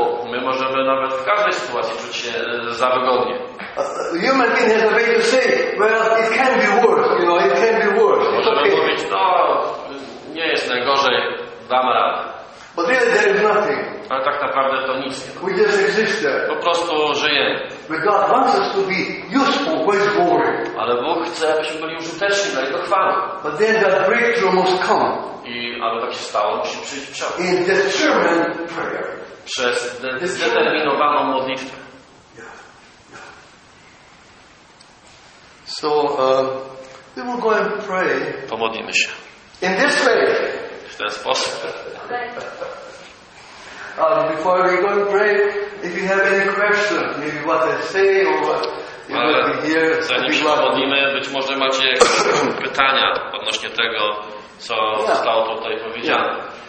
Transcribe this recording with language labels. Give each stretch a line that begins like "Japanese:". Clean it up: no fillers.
Polish: My możemy nawet w każdej sytuacji czuć się za wygodnie.
English: Human being has a way to say, well, it can be worse, you know, it can be worse. It's
Polish: możemy okay. Powiedzieć, no, nie jest najgorzej, dam radę.
English: But really there is nothing.
Polish: Ale tak naprawdę to nic nie.
English: We just exist there.
Polish: Po prostu żyjemy.
English: But God wants us to be useful, but it's boring.
Polish: Ale Bóg chce, abyśmy byli użyteczni dla Jego chwały.
English: But then that breakthrough must come.
Polish: I aby tak się stało, musi przyjść przełom.
English: In determined prayer.
Polish: Przez zdeterminowaną modlitwę.
English: So we will go and pray.
Polish: Pomodlimy się.
English: In this way.
Polish: W ten sposób.
English: Before we go and pray, if you have any questions, maybe what I say or what you hear,
Polish: zanim się pomodlimy, być może macie jakieś pytania odnośnie tego, co zostało tutaj powiedziane.